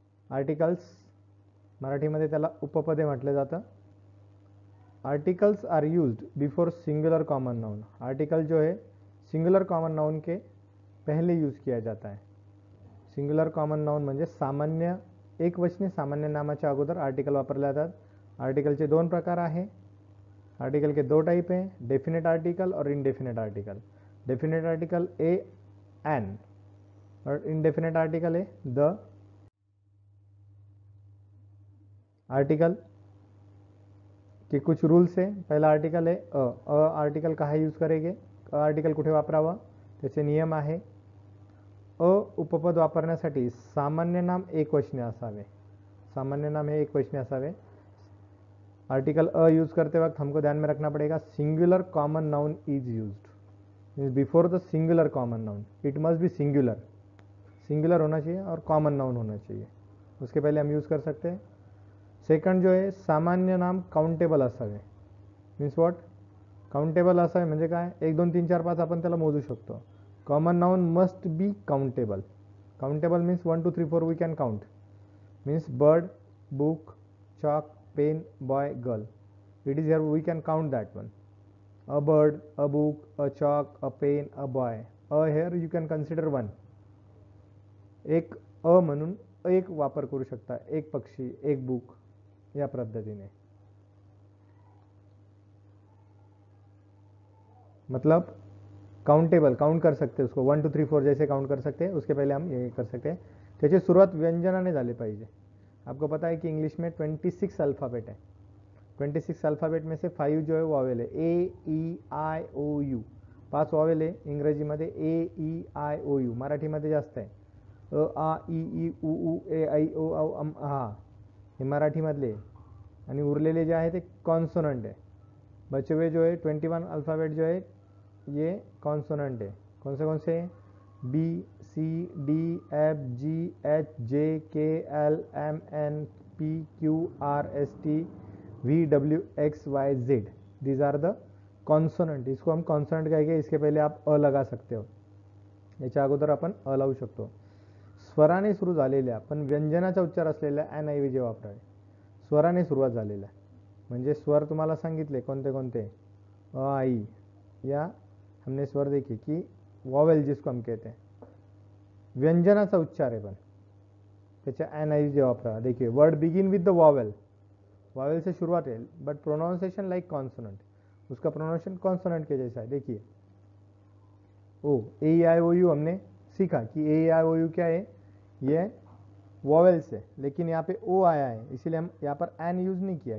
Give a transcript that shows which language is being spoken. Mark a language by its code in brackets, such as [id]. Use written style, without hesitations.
[mr] Articles Marathi मध्ये त्याला उपपदे म्हटले जातं। [en] Articles are used before singular common noun. [hi] Article जो है सिंगुलर कॉमन नाउन के पहले यूज किया जाता है। [mr] सिंगुलर कॉमन नाउन म्हणजे सामान्य एकवचनी सामान्य नामाच्या अगोदर आर्टिकल वापरले जातात। आर्टिकलचे दोन प्रकार आहे। [hi] आर्टिकल के दो टाइप हैं, डेफिनेट आर्टिकल और indefinite article. Definite article A N और इनडेफिनेट आर्टिकल है द आर्टिकल के कुछ रूल्स है। पहला आर्टिकल है अ। अ आर्टिकल कहाँ यूज करेंगे, अ आर्टिकल कुठे वापरावा, त्याचे नियम आहे। [mr] अ उपपद वापरण्यासाठी सामान्य नाम एकवचनी असावे। सामान्य नाम हे एकवचनी असावे। [hi] आर्टिकल अ यूज करते वक्त हमको ध्यान में रखना पड़ेगा [en] Singular common noun is used, means before the singular common noun it must be singular. [hi] Singular होना चाहिए और कॉमन नाउन होना चाहिए, उसके पहले हम यूज कर सकते हैं। [mr] सेकंड जो है सामान्य नाम काउंटेबल असावे। मीन्स व्हाट काउंटेबल असावे म्हणजे काय, 1 2 3 4 5 आपण त्याला मोजू शकतो। [en] Common noun must be countable. Countable means 1 2 3 4 we can count, means bird, book, chalk, pen, boy, girl, it is here we can count that one. A bird, a book, a chalk, a pen, a boy, a here you can consider one. [mr] एक अ म्हणून एक वापर करू शकता, एक पक्षी, एक book, या पद्धतीने। [hi] मतलब काउंटेबल, काउंट कर सकते उसको, 1 2 3 4 जैसे काउंट कर सकते हैं, उसके पहले हम ये कर सकते हैं। [mr] त्याची सुरुवात व्यंजनाने झाली पाहिजे। [hi] आपको पता है कि इंग्लिश में 26 अल्फाबेट है। 26 अल्फाबेट में से 5 जो है वो ओवेल है, ए ई आय ओ यू। 5 ओवेल है इंग्रजी में, ए ई आय ओ यू मराठी में जास्त है। [mr] अ आ ई ई उ ऊ ए आई ओ औ अम हा हे मराठी मधले, आणि उरलेले जे आहे ते कॉन्सोनंट है। [hi] बचे हुए जो है 21 अल्फाबेट जो है ये कॉन्सोनंट है। कौन से B C D F G H J के L M N P Q R S T V W x Y Z, [en] These are the consonant. [hi] इसको हम कॉन्सोनंट कहेंगे। इसके पहले आप अ लगा सकते हो, [mr] याच्या अगोदर आपण अ लावू शकतो। स्वराने सुरू झालेल्या पण व्यंजनाचा उच्चार असलेल्या एन ऐवजी वापरावे। स्वराने सुरुवात झालेल्या म्हणजे स्वर तुम्हाला सांगितले कोणते कोणते, अ आई या [hi] हमने स्वर देखे कि वॉवेल जिसको हम कहते हैं। [mr] व्यंजनाचा उच्चार आहे पण त्याच्या एन आई जे वापरा। [hi] देखिए [en] word begin with the vowel, [hi] vowel से शुरुआत है, [en] but pronunciation like consonant, [hi] उसका प्रोनाउंसिएशन कॉन्सोनंट के जैसा है। देखिए ओ ए आई ओ यू हमने सीखा कि ए आई ओ यू क्या है, ये वॉवेल्स है, लेकिन यहाँ पे ओ आया है इसीलिए हम यहाँ पर एन यूज नहीं किया।